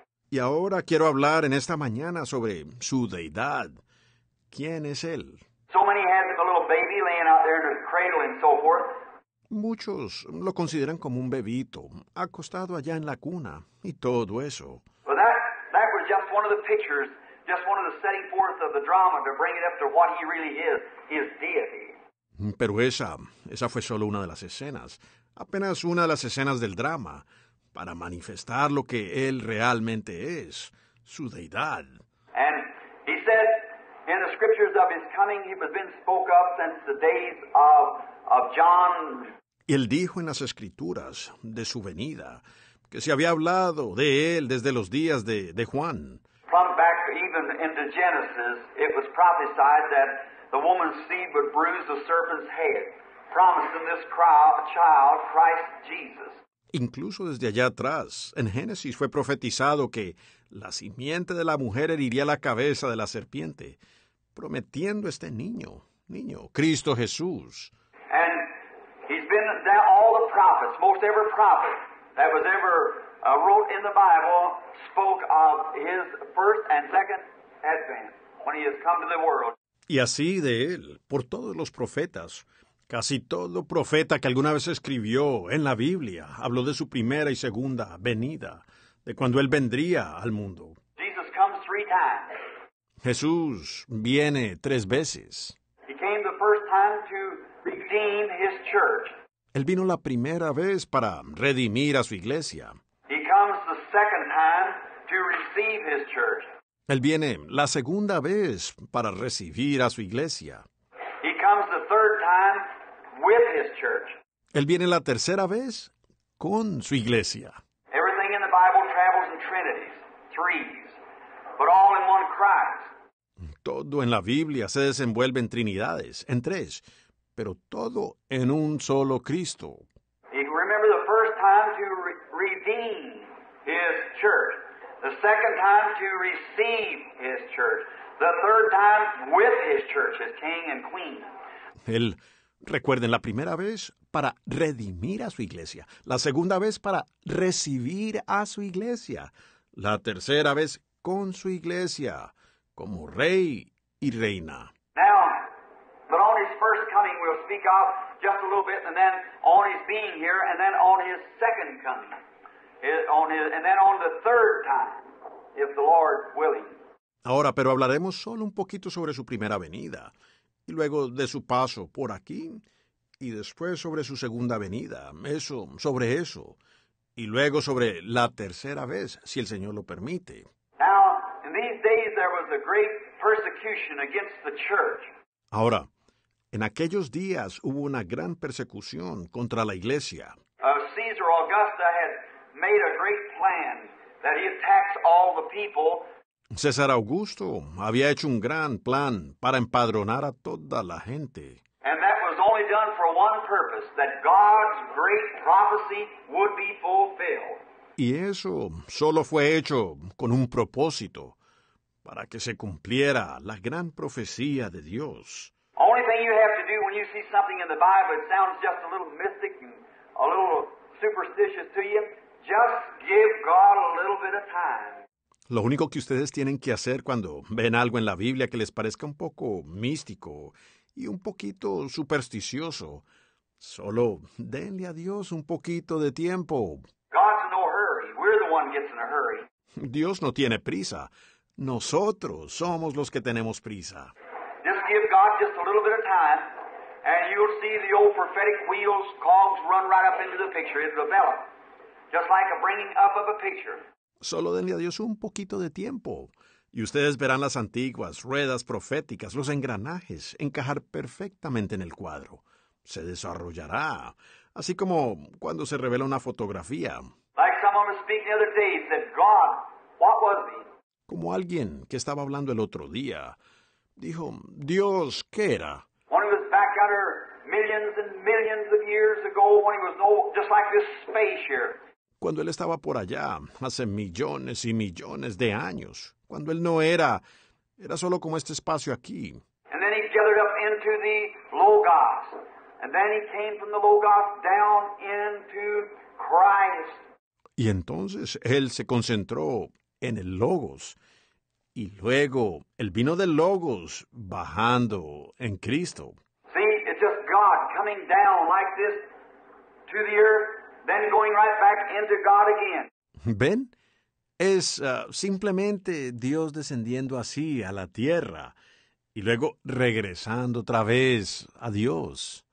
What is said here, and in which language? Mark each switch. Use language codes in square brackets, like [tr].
[es] Y ahora quiero hablar en esta mañana sobre su deidad. ¿Quién es él? [en] So many have a little baby laying out there in a cradle and so forth. [es] Muchos lo consideran como un bebito, acostado allá en la cuna, y todo eso. [en] Well, that was just one of the pictures, just one of the setting forth of the drama to bring it up to what he really is, his deity. [es] Pero esa fue solo una de las escenas, apenas una de las escenas del drama, para manifestar lo que él realmente es, su deidad. [en] And he said, in the scriptures of his coming, he has been spoke of since the days of John. [es] Él dijo en las escrituras de su venida que se había hablado de él desde los días de Juan. [en] From back even into Genesis, it was prophesied that the woman's seed would bruise the serpent's head, promising this child, Christ Jesus. [es] Incluso desde allá atrás, en Génesis fue profetizado que la simiente de la mujer heriría la cabeza de la serpiente, prometiendo este niño, Cristo Jesús. [en] And he's been that all the prophets, most every prophet that was ever wrote in the Bible spoke of his first and second advent when he has come to the world. [es] Y así de él, por todos los profetas, casi todo profeta que alguna vez escribió en la Biblia habló de su primera y segunda venida, de cuando él vendría al mundo. [en] Jesus comes times. [es] Jesús viene tres veces. [en] He came the first time to redeem his church. [es] Él vino la primera vez para redimir a su iglesia. [en] He comes the second time to receive his church. [es] Él viene la segunda vez para recibir a su iglesia. [en] He comes the third time with his church. [es] Él viene la tercera vez con su iglesia. [en] Everything in the Bible travels in trinities, threes, but all in one Christ. [es] Todo en la Biblia se desenvuelve en trinidades, en tres, pero todo en un solo Cristo. [en] He remembered the first time to redeem his church, the second time to receive his church, the third time with his church as king and queen. [es] Él recuerda en la primera vez para redimir a su iglesia, la segunda vez para recibir a su iglesia, la tercera vez con su iglesia, como rey y reina. [en] Now, but on his first coming we'll speak of just a little bit, and then on his being here, and then on his second coming, and then on the third time, if the Lord willing. [es] Ahora, pero hablaremos solo un poquito sobre su primera venida, y luego de su paso por aquí, y después sobre su segunda venida, eso, sobre eso, y luego sobre la tercera vez, si el Señor lo permite. [en] Now, in these days there was a great persecution against the church. [es] Ahora, en aquellos días hubo una gran persecución contra la iglesia. [en] Caesar Augusta had made a great plan that he attacks all the people. [es] César Augusto había hecho un gran plan para empadronar a toda la gente. [en] And that was only done for one purpose, that God's great prophecy would be fulfilled. [es] Y eso solo fue hecho con un propósito, para que se cumpliera la gran profecía de Dios. [en] Only thing you have to do when you see something in the Bible that sounds just a little mystic and a little superstitious to you, just give God a little bit of time. [es] Lo único que ustedes tienen que hacer cuando ven algo en la Biblia que les parezca un poco místico y un poquito supersticioso, solo denle a Dios un poquito de tiempo. [en] God's in no hurry. We're the one gets in a hurry. [es] Dios no tiene prisa. Nosotros somos los que tenemos prisa. [en] Just give God just a little bit of time, and you'll see the old prophetic wheels, cogs run right up into the picture. It'll develop, just like a bringing up of a picture. [es] Solo denle a Dios un poquito de tiempo, y ustedes verán las antiguas ruedas proféticas, los engranajes, encajar perfectamente en el cuadro. Se desarrollará, así como cuando se revela una fotografía. [en] Like someone was speaking the other day, he said, God, what was he? [es] Como alguien que estaba hablando el otro día, dijo, Dios, ¿qué era? [en] When he was back out here millions and millions of years ago, when he was old, just like this space here. [es] Cuando él estaba por allá, hace millones y millones de años, cuando él no era, era solo como este espacio aquí. [en] And then he gathered up into the Logos. And then he came from the Logos down into Christ. [es] Y entonces él se concentró en el Logos. Y luego él vino del Logos bajando en Cristo. [en] See, it's just God coming down like this to the earth. Then going right back into God again. [es] ¿Ven? Es simplemente Dios descendiendo así a la tierra y luego regresando otra vez a Dios.